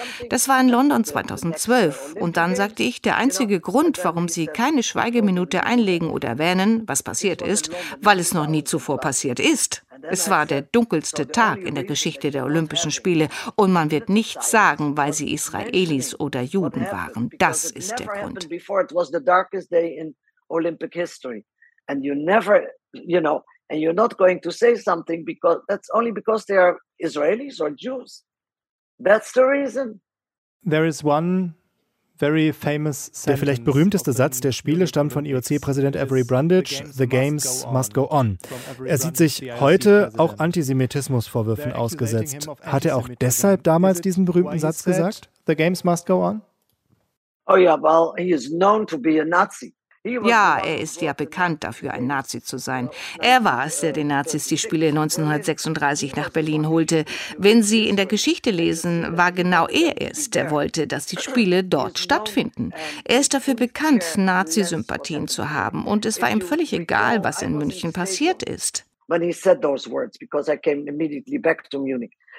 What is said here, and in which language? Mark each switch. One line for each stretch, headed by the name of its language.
German: Das war in London 2012. Und dann sagte ich, der einzige Grund, warum sie keine Schweigeminute einlegen oder erwähnen, was passiert ist, weil es noch nie zuvor passiert ist. Es war der dunkelste Tag in der Geschichte der Olympischen Spiele und man wird nichts sagen, weil sie Israelis oder Juden waren. Das ist der Grund.
English: It was the darkest day in Olympic history and you never, you know, and you're not going to say something because that's only because they are Israelis or Jews. That's the reason. There is one very famous.
German: Der vielleicht berühmteste Satz der Spiele stammt von IOC-Präsident Avery Brundage,
English: the games must go on.
German: Er sieht sich heute auch Antisemitismusvorwürfen ausgesetzt. Hat er auch deshalb damals diesen berühmten Satz gesagt?
English: The games must go on? Oh yeah, well, he is known to be a Nazi.
German: Ja, er ist ja bekannt dafür, ein Nazi zu sein. Er war es, der den Nazis die Spiele 1936 nach Berlin holte. Wenn Sie in der Geschichte lesen, war genau er es, der wollte, dass die Spiele dort stattfinden. Er ist dafür bekannt, Nazi-Sympathien zu haben. Und es war ihm völlig egal, was in München passiert ist.
English: When he said those words, because I came immediately back to Munich.